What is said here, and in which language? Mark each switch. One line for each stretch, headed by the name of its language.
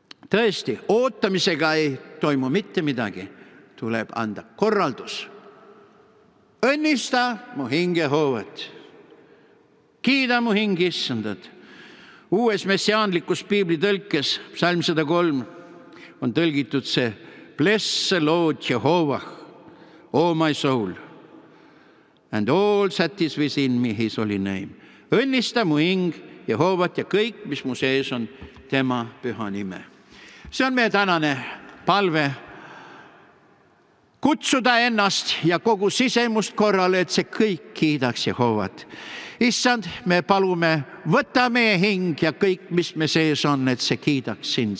Estonian: Tõesti, ootamisega ei toimu mitte midagi, tuleb anda korraldus. Õnnista mu hing Jehovat. Kiida mu hing issandat. Uues messiaanlikus piiblitõlkes, psalm 103, on tõlgitud see
English: bless the Lord Jehovah, O my soul, and all that is within me, his holy name.
Estonian: Õnnista mu hing Jehovat ja kõik, mis mu sees on, tema püha nime. See on meie tänane palve. Kutsuda ennast ja kogu sisemust korrale, et see kõik kiidaks Jehovat. Issand, me palume, võta meie hing ja kõik, mis me sees on, et see kiidaks sind.